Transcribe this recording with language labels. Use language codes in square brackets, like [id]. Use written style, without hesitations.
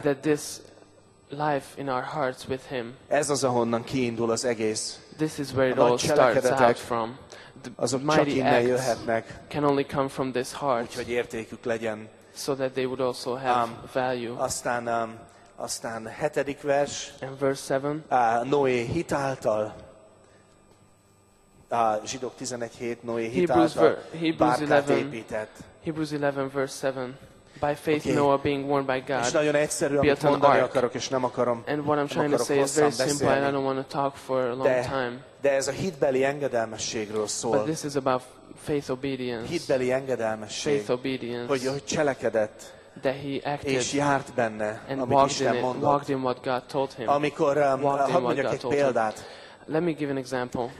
[en] That this life in our hearts with him. [hu] Ez az ahonnan kiindul az egész. [en] This is where it all starts out from. [hu] The azok mighty csak innen jöhetnek. [en] Can only come from this heart. [hu] Úgyhogy értékük legyen. [en] So that they would also have value. [hu] Aztán 7. vers. [en] And verse 7. [hu] Noé hitáltal. Zsidók 11:7. Noé hitáltal bárkát épített. [en] Hebrews 11 verse 7. By faith okay. Noah being warned by God. [hu] És nagyon egyszerű, amit mondani akarok, és nem akarom. [en] And what I'm trying to say is very simple. And I don't want to talk for a long time. [hu] De ez a hitbeli engedelmességről szól. [en] But this is about faith obedience. [hu] Hitbeli engedelmesség. [en] Faith obedience. [hu] Hogy cselekedett. [en] That he acted [hu] és járt benne, [en] and [hu] amit Isten [en] in it, [hu] mondott. [en] Walked in what God told him. [hu] Amikor, [en] walked in what God told him. Let me give an example.